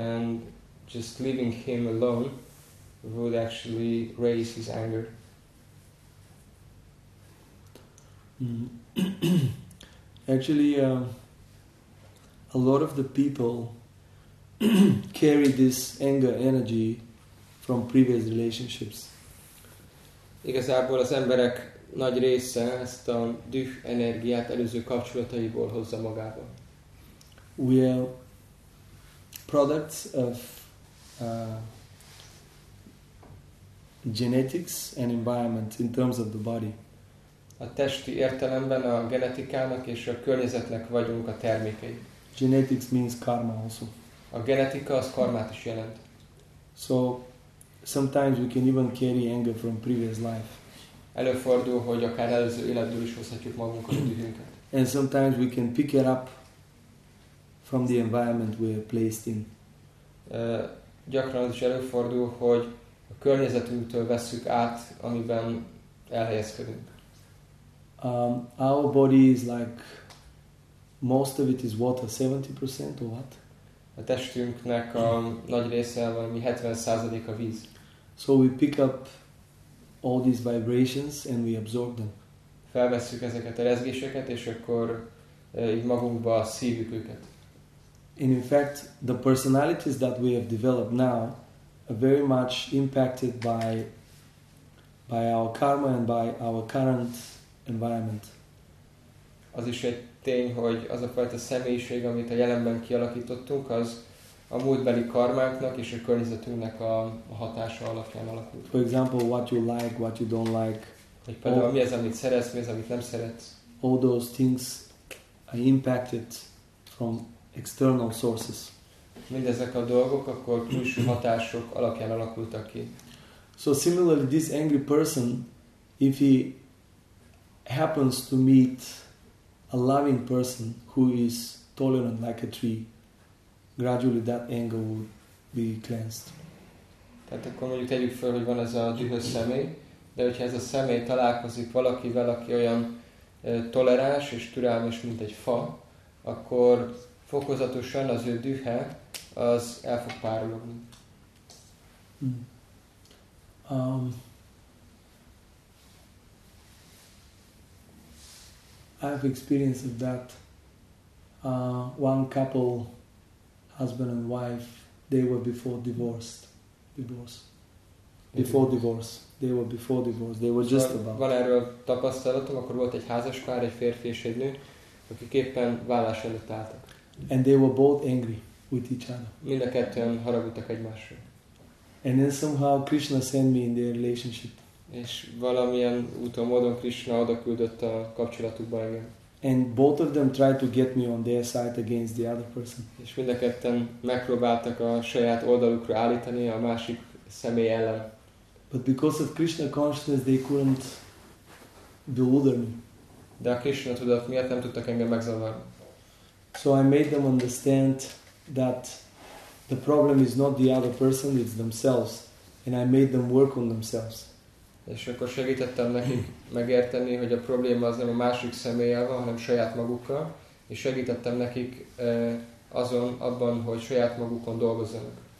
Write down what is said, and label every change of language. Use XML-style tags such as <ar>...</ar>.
<en>And just leaving him alone would actually raise his anger. Actually, a lot of the people carry this anger energy from previous relationships.</en> <hu>igazából az emberek nagy része ezt a düh energiát előző kapcsolataiból hozza magával.</hu> <en>We are products of genetics and environment in terms of the body.</en> <hu>A testi értelemben a genetikának és a környezetnek vagyunk a termékei.</hu> <en>Genetics means karma also.</en> <hu>A genetika az karmát is jelent.</hu> <en>So sometimes we can even carry anger from previous life.</en> <hu>Előfordul, hogy akár előző életből is hozhatjuk magunkat a dühünket.</hu> <en>And sometimes we can pick it up from the environment we are placed in.</en> <hu>Gyakran az is előfordul, hogy a környezetünktől vesszük át, amiben elhelyezkedünk.</hu> <en>Our body is like most of it is water, 70% or what?</en> <hu>A testünknek a nagy része, valami 70% a víz.</hu> <en>So we pick up all these vibrations and we absorb them.</en> <hu>Felvesszük ezeket a rezgéseket, és akkor így magunkba szívjuk őket.</hu> <en>And in fact, the personalities that we have developed now are very much impacted by our karma and by our current environment.</en> <hu>Az is egy tény, hogy az a fajta személyiség, amit a jelenben kialakítottunk, az a múltbeli karmánknak és a környezetünknek a hatása alapján alakult.</hu> <en>For example, what you like, what you don't like.</en> <hu>Egy például mi az, amit szeretsz, mi az, amit nem szeretsz.</hu> <en>All those things are impacted from external sources.</en> <hu>Mindezek a dolgok akkor külső hatások alapján alakultak ki.</hu> <en>So similarly, this angry person, if he happens to meet a loving person who is tolerant like a tree, gradually that anger will be cleansed.</en> <hu>Tehát akkor mondjuk tegyük fel, hogy van ez a dühös személy, de hogyha ez a személy találkozik valakivel, aki olyan toleráns és türelmes, mint egy fa, akkor fokozatosan az ő dühe az el fog párologni.</hu> <en>I have experience of that. One couple, husband and wife, they were before divorced. They were just about.</en> <hu>Van erről tapasztalatom, akkor volt egy házaspár, egy férfi és egy nő, akik éppen válás előtt álltak.</hu> <en>And they were both angry with each other.</en> <hu>Mind a ketten haragudtak egymásra.</hu> <en>And then somehow Krishna sent me in their relationship.</en> <hu>És valamilyen úton módon Krishna oda küldött a kapcsolatukba engem.</hu> <en>And both of them tried to get me on their side against the other person.</en> <hu>És mind a ketten megpróbáltak a saját oldalukra állítani a másik személy ellen.</hu> <en>But because of Krishna consciousness, they couldn't bewilder me.</en> <hu>De a Krishna tudat miatt nem tudtak engem megzavarni.</hu> <en>So I made them understand that the problem is not the other person, it's themselves. And I made them work on themselves.</en> <hu>És akkor segítettem nekik megérteni, hogy a probléma az nem a másik személlyel van, hanem saját magukkal, és segítettem nekik azon, abban, hogy saját magukon dolgozzanak.</hu>